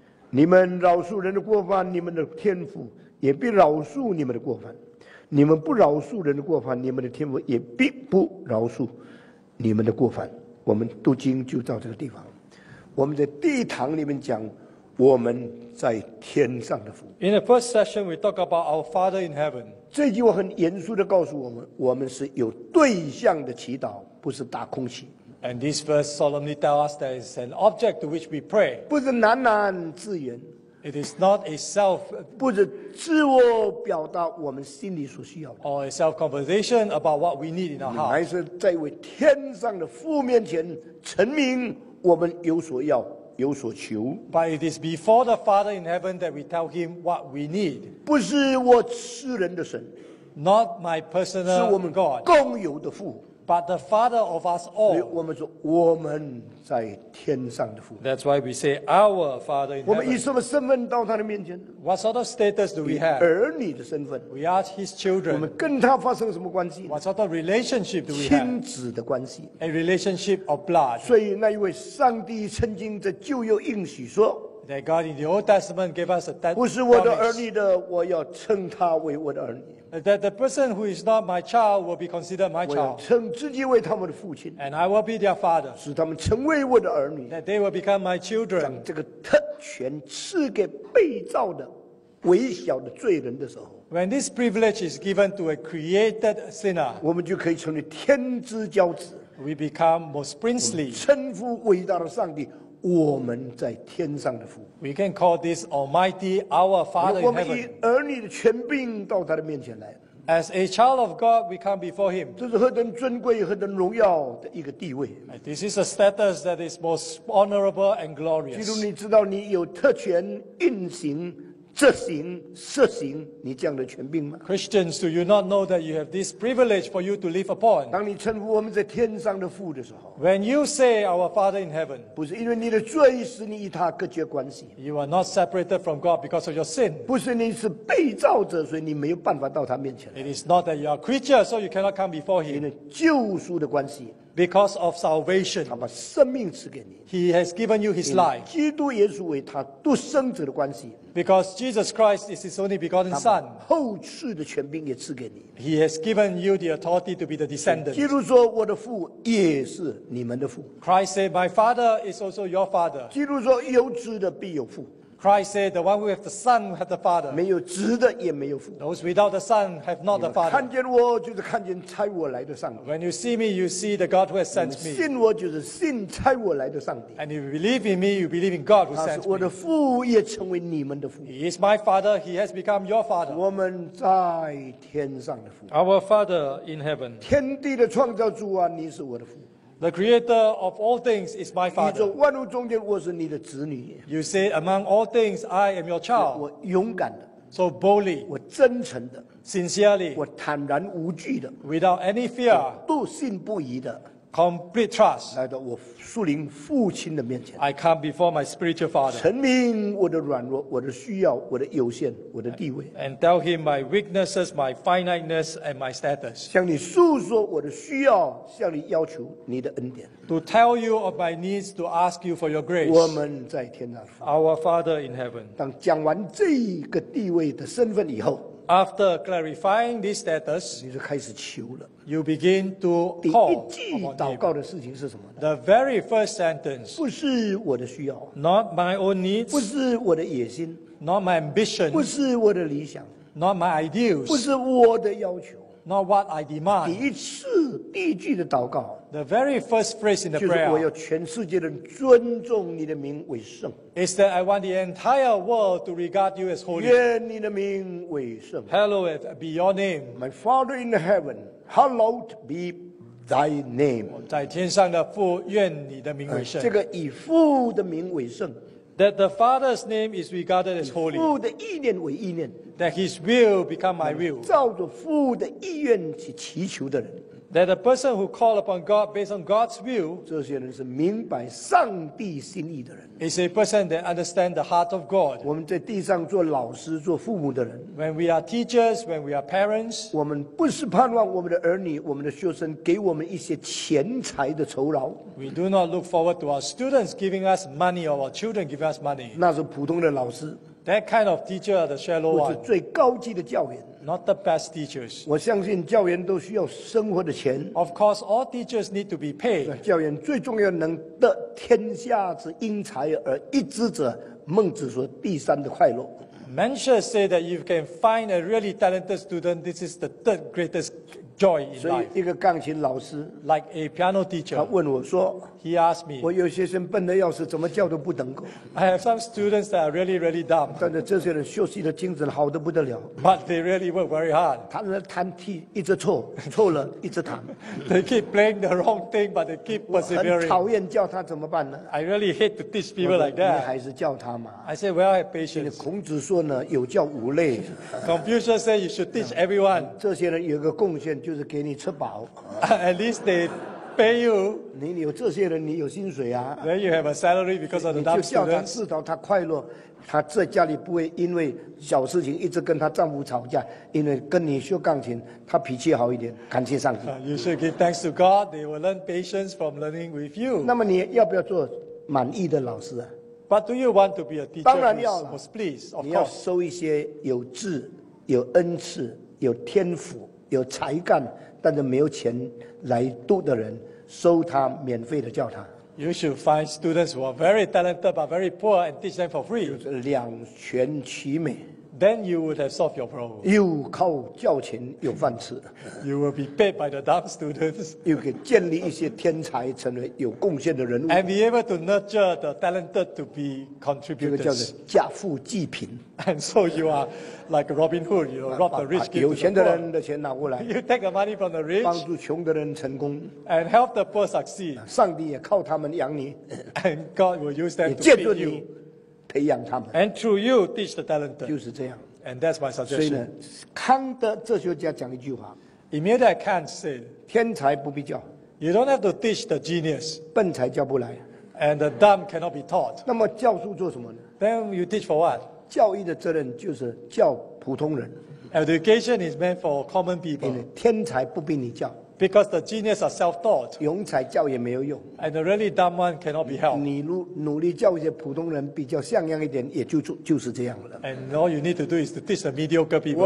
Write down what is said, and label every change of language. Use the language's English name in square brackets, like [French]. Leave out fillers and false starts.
[Chinese] 你们饶恕人的过犯，你们的天父也必饶恕你们的过犯。你们不饶恕人的过犯，你们的天父也必不饶恕你们的过犯。我们读经就到这个地方。我们在第一堂里面讲我们在天上的父。 [English] In the first session, we talk about our Father in heaven. [Chinese] 这句话很严肃地告诉我们，我们是有对象的祈祷，不是打空气。 [English] And this verse solemnly tells us that it's an object to which we pray. [Chinese] 不是喃喃自言。 [English] It is not a self, [Chinese] 不是自我表达我们心里所需要的 [English] or a self conversation about what we need in our heart. [Chinese] 还是在为天上的父面前陈明我们有所要有所求 [English] But it is before the Father in heaven that we tell him what we need. [Chinese] 不是我私人的神 [English] Not my personal God. [Chinese] 是我们共有的父 [English] but the Father of us all. [Chinese] 所以我们说我们在天上的父。 [English] That's why we say our Father in heaven. [Chinese] 我们以什么身份到他的面前？ [English] What sort of status do we have? [Chinese] 儿女的身份。 [English] We are His children. [Chinese] 我们跟他发生什么关系？ [English] What sort of relationship do we have? [Chinese] 亲子的关系。 [English] A relationship of blood. [Chinese] 所以那一位上帝曾经在旧约应许说。 [English] That God in the Old Testament gave us a promise. [Chinese] 不是我的儿女的，我要称他为我的儿女。 [English] That the person who is not my child will be considered my child. [Chinese] 我要称自己为他们的父亲。 [English] And I will be their father. [Chinese] 使他们成为我的儿女。 [English] That they will become my children. [Chinese] 将这个特权赐给被造的、微小的罪人的时候。 [English] When this privilege is given to a created sinner. [Chinese] 我们就可以成为天之骄子。 [English] We become most princely. [Chinese] 称呼伟大的上帝。我们在天上的父。 [English] We can call this Almighty our Father in heaven. [Chinese] 我们以儿女的权柄到他的面前来。 [English] As a child of God, we come before him. [Chinese] 这是何等尊贵、何等荣耀的一个地位。 [English] This is a status that is most honorable and glorious. [Chinese] 基督，你知道你有特权运行、执行、施行你这样的权柄吗 [English] ？Christians, do you not know that you have this privilege for you to live upon? [Chinese] 当你称呼我们在天上的父的时候 [English] ，When you say our Father in heaven， [Chinese] 不是因为你的罪使你与他隔绝关系 [English] ，You are not separated from God because of your sin。 [Chinese] 不是你是被造者，所以你没有办法到他面前来。 [English] It is not that you are a creature, so you cannot come before him。 [Chinese] 因为救赎的关系。 [English] Because of salvation, [Chinese] 他把生命赐给你。 [English] He has given you His life. [Chinese] 基督耶稣为他独生子的关系。 [English] Because Jesus Christ is His only begotten Son. [Chinese] 他把后世的权柄也赐给你。 [English] He has given you the authority to be the descendant. [Chinese] 基督说：“我的父也是你们的父。” [English] Christ said, "My Father is also your Father." [Chinese] 基督说：“有子的必有父。” [English] Christ said, "The one who has the Son has the Father." [Chinese] 没有子的也没有父。 [English] Those without the Son have not the Father. [Chinese] 看见我就是看见差我来的上帝。 [English] When you see me, you see the God who has sent me. [Chinese] 信我就是信差我来的上帝。 [English] And if you believe in me, you believe in God who sent me. [Chinese] 他是我的父，也成为你们的父。 [English] He is my Father. He has become your Father. [Chinese] 我们在天上的父。 [English] Our Father in heaven. [Chinese] 天地的创造主啊，你是我的父。 [English] The creator of all things is my father. [Chinese] 宇宙万物中间，我是你的子女。 [English] You say among all things, I am your child. [Chinese] 我勇敢的。 [English] So boldly. [Chinese] 我真诚的。 [English] Sincerely. [Chinese] 我坦然无惧的。 [English] Without any fear. [Chinese] 笃信不疑的。 [English] Complete trust. [Chinese] 来到我属灵父亲的面前。 [English] I come before my spiritual father. [Chinese] 承认我的软弱，我的需要，我的有限，我的地位。 [English] And tell him my weaknesses, my finiteness, and my status. [Chinese] 向你诉说我的需要，向你要求你的恩典。 [English] To tell you of my needs, to ask you for your grace. [Chinese] 我们在天上。 [English] Our Father in heaven. [Chinese] 当讲完这个地位的身份以后。 [English] After clarifying this status, [Chinese] 你就开始求了。 [English] You begin to call. [Chinese] 第一句祷告的事情是什么呢 [English] ？The very first sentence. [Chinese] 不是我的需要。 [English] Not my own needs. [Chinese] 不是我的野心。 [English] Not my ambition. [Chinese] 不是我的理想。 [English] Not my ideals. [Chinese] 不是我的要求。 [English] Not what I demand. [Chinese] 第一句的祷告。 [English] The very first phrase in the prayer. [Chinese] 就是我要全世界的人尊重你的名为圣。 [English] Is that I want the entire world to regard you as holy. [Chinese] 愿你的名为圣。 [English] Hallowed be your name. My Father in heaven. Hallowed be thy name. [Chinese] 在天上的父，愿你的名为圣。这个以父的名为圣。 [English] That the Father's name is regarded as holy. [Chinese] 父的意念为意念。 [English] That his will become my will. [Chinese] 照着父的意愿去祈求的人。 [English] That a person who call upon God based on God's will. [Chinese] 这些人是明白上帝心意的人。 [English] Is a person that understands the heart of God. [Chinese] 我们在地上做老师、做父母的人。 [English] When we are teachers, when we are parents. [Chinese] 我们不是盼望我们的儿女、我们的学生给我们一些钱财的酬劳。 [English] We do not look forward to our students giving us money or our children giving us money. [Chinese] 那是普通的老师。 [English] That kind of teacher are the shallow one. [Chinese] 或是最高级的教员。 [English] Not the best teachers. [Chinese] 我相信教员都需要生活的钱。 [English] Of course, all teachers need to be paid. [Chinese] 教员最重要能得天下之英才而一之者，孟子说第三的快乐。 [English] Mencius say that you can find a really talented student. This is the third greatest joy in life. [Chinese] 所以一个钢琴老师 [English] ，like a piano teacher， [Chinese] 他问我说 [English] ，He asked me， [Chinese] 我有些人笨得要死，怎么教都不能够。 [English] I have some students that are really, really dumb. [Chinese] 但是这些人学习的精神好得不得了。 [English] But they really work very hard. [Chinese] 弹了弹踢，一直错，错了一直弹。 [English] They keep playing the wrong thing, but they keep persevering. [Chinese] 我很讨厌教他怎么办呢 [English] ？I really hate to teach people like that. [Chinese] 你还是教他嘛。 [English] I say, well, I have patience. [Chinese] 孔子说呢，有教无类。 [English] Confucius say you should teach everyone. [Chinese] 这些人有个贡献就。就是给你吃饱。 [English] At least they pay you. [Chinese] 你有这些人，你有薪水啊。 [English] Then you have a salary because of the dumb students. [Chinese] 你就叫他知道他快乐，他在家里不会因为小事情一直跟他丈夫吵架，因为跟你学钢琴，他脾气好一点。感谢上帝。 [English] You should give thanks to God. They will learn patience from learning with you. [Chinese] 那么你要不要做满意的老师啊？ [English] But do you want to be a teacher? [Chinese] 当然要了。 [English] Most pleased, of course. [Chinese] 你要收一些有志、有恩赐、有天赋、有才干，但是没有钱来读的人，收他免费的教他。 [English] You should find students who are very talented but very poor and teach them for free. [Chinese] 就是两全其美。 [English] Then you would have solved your problem. [Chinese] 又靠教钱有饭吃。 [English] You will be paid by the dumb students. [Chinese] 又可以建立一些天才，成为有贡献的人物。 [English] And be able to nurture the talented to be contributors. [Chinese] 这个叫做家富济贫。 [English] And so you are like Robin Hood, you know, rob the rich, give to the poor. [Chinese] 有钱的人的钱拿过来。 [English] You take the money from the rich. [Chinese] 帮助穷的人成功。 [English] And help the poor succeed. [Chinese] 上帝也靠他们养你。 [English] And God will use them to feed you. [Chinese] 培养他们 [English] ，and through you teach the talented， [Chinese] 就是这样 [English] ，and that's my suggestion。 [Chinese] 所以呢，康德哲学家讲一句话 [English] ，Immediately Kant said， [Chinese] 天才不必教 [English] ，you don't have to teach the genius， [Chinese] 笨才教不来 [English] ，and the dumb cannot be taught。 [Chinese] 那么教书做什么呢 [English] ？Then you teach for what？ [Chinese] 教育的责任就是教普通人 [English] ，education is meant for common people。 [Chinese] 天才不必你教。 [English] Because the genius are self-taught. [Chinese] 庸才教也没有用。 [English] And a really dumb one cannot be helped. [Chinese] 你努力教一些普通人比较像样一点，也就是这样了。 [English] And all you need to do is to teach the mediocre people.